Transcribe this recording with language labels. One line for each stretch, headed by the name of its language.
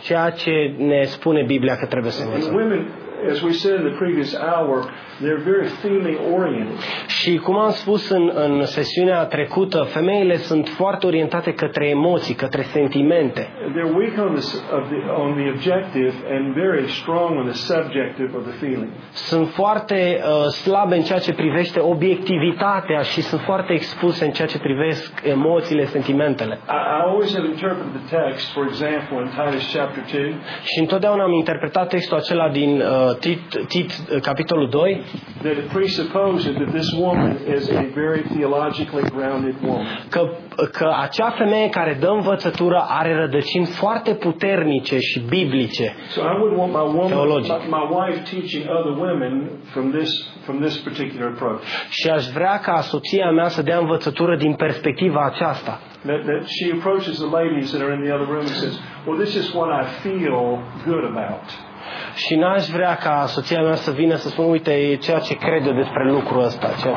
Romanian: Ceea ce ne spune Biblia că trebuie să învățăm.
English: As we said in the previous hour, they're very female oriented.
Romanian: Și cum am spus în sesiunea trecută, femeile sunt foarte orientate către emoții, către sentimente.
English: They're weak on the objective and very strong on the subjective of the feeling.
Romanian: Sunt foarte slabe în ceea ce privește obiectivitatea și sunt foarte expuse în ceea ce privesc emoțiile, sentimentele.
English: I always have interpreted the text, for example, in Titus chapter 2.
Romanian: Și întotdeauna am interpretat textul acela din Tit, capitolul 2,
English: that it presupposes that this woman is a very theologically grounded woman.
Romanian: Că acea femeie care dă învățătură are rădăcini foarte puternice și biblice.
English: So I would want my wife teaching other women from this particular approach.
Romanian: Și aș vrea ca soția mea să dea învățătură din perspectiva aceasta.
English: That she approaches the ladies that are in the other room and says, "Well, this is what I feel good about."
Romanian: Și n-aș vrea ca soția mea să vină să spună, uite, e ceea ce cred eu despre lucrul ăsta.